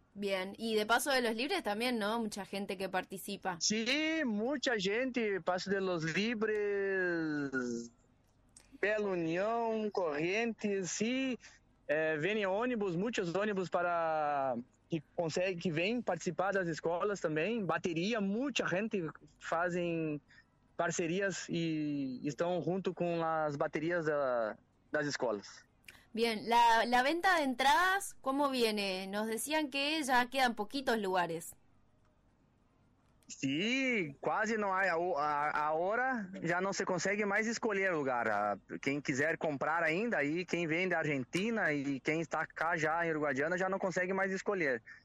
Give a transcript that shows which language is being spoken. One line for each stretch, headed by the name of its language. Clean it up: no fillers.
Spanish: Bien, y de Paso de los Libres también, ¿no? Mucha gente que participa. Sí, mucha gente, Paso de los Libres, Bela Unión, Corrientes, sí.
Portuguese: Vêm ônibus, muitos ônibus para que consegue que vem participar das escolas também, bateria, muita gente fazem parcerias e estão junto com as baterias das escolas.
Spanish: Bien, la venta de entradas, ¿cómo viene? Nos decían que ya quedan poquitos lugares.
Portuguese: Sí, quase não há, agora já não se consegue mais escolher lugar. Quem quiser comprar ainda, aí quem vem da Argentina e quem está cá já em Uruguaiana já não consegue mais escolher.